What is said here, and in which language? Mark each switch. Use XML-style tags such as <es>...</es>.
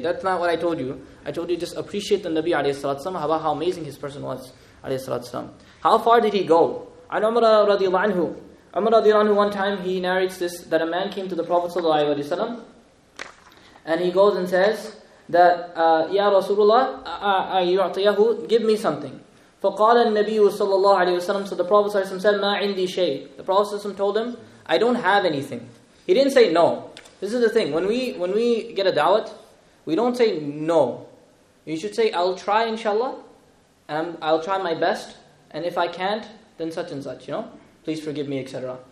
<en>That's not what I told you. I told you just appreciate the Nabi alayhi salatu wasalam, about how amazing his person was. Alayhi salatu wasalam. How far did he go? And Umar radiallahu anhu. Umar radiallahu anhu, one time he narrates this, that a man came to the Prophet sallallahu alayhi wasalam, and he goes and says that, Ya Rasulullah, يُعْطِيَهُ, give me something.</en> <ar>فَقَالَ النَّبِيُّ صَلَّى اللَّهُ عَلَيْهِ وَسَلَّمُ,</ar> <en>so the Prophet sallallahu alayhi wasalam said,</en> <ar>مَا عِنْدِي شَيْءٍ.</ar> <en>The Prophet sallallahu alayhi wasalam told him, I don't have anything. He didn't say no. This is the thing. When we get a da'wat, we don't say no. You should say, I'll try inshallah, and I'll try my best, and if I can't, then such and such, you know? Please forgive me, etc.</en>